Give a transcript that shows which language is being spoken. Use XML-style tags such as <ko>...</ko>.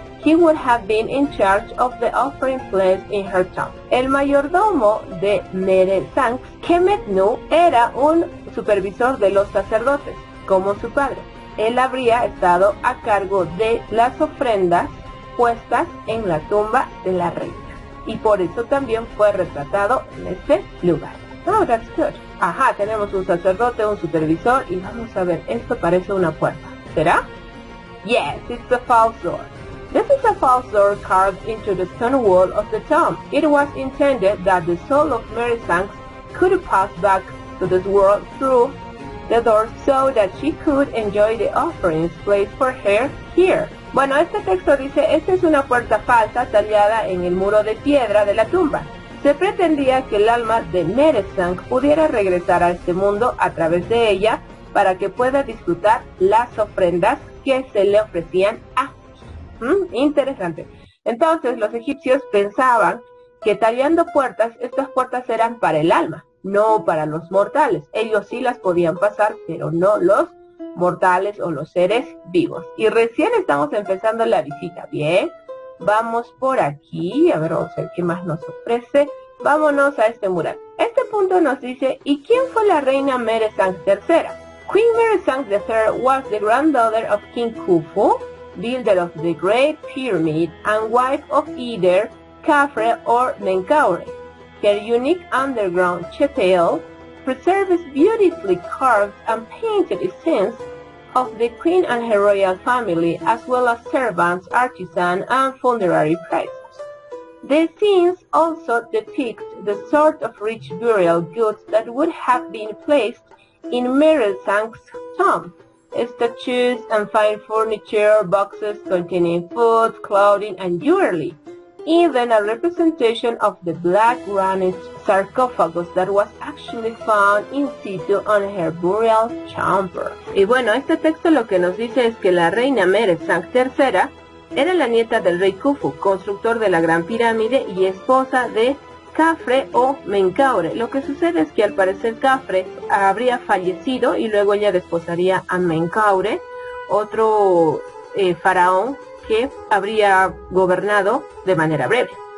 <en>He would have been in charge of the offering place in her tomb.</en> <es>El mayordomo de Meresang, Kemetnu, era un supervisor de los sacerdotes, como su padre. Él habría estado a cargo de las ofrendas puestas en la tumba de la reina. Y por eso también fue retratado en este lugar.</es> <en>Oh, that's good.</en> <es>Ajá, tenemos un sacerdote, un supervisor, y vamos a ver, esto parece una puerta. ¿Será?</es> <en>Yes, it's a false door. This is a false door carved into the stone wall of the tomb. It was intended that the soul of Meresang could pass back to this world through the door so that she could enjoy the offerings placed for her here.</en> <es>Bueno, este texto dice, esta es una puerta falsa tallada en el muro de piedra de la tumba. Se pretendía que el alma de Meresang pudiera regresar a este mundo a través de ella para que pueda disfrutar las ofrendas que se le ofrecían a interesante. Entonces, los egipcios pensaban que tallando puertas, estas puertas eran para el alma, no para los mortales. Ellos sí las podían pasar, pero no los mortales o los seres vivos. Y recién estamos empezando la visita. Bien, vamos por aquí. A ver, vamos a ver qué más nos ofrece. Vámonos a este mural. Este punto nos dice, ¿y quién fue la reina Meresang III?</es> <en>Queen Meresang III was the granddaughter of King Khufu, builder of the Great Pyramid and wife of either Khafre or Menkaure. Her unique underground chapel preserves beautifully carved and painted scenes of the queen and her royal family, as well as servants, artisans, and funerary priests. The scenes also depict the sort of rich burial goods that would have been placed in Meresang's tomb. Statues and fine furniture, boxes containing food, clothing, and jewelry. Even a representation of the black granite sarcophagus that was actually found in situ on her burial chamber.</en> <es>Y bueno, este texto lo que nos dice es que la reina Meresang III era la nieta del rey Khufu, constructor de la Gran Pirámide y esposa de Khafre o Menkaure. Lo que sucede es que al parecer Khafre habría fallecido y luego ella desposaría a Menkaure, otro faraón que habría gobernado de manera breve.</es>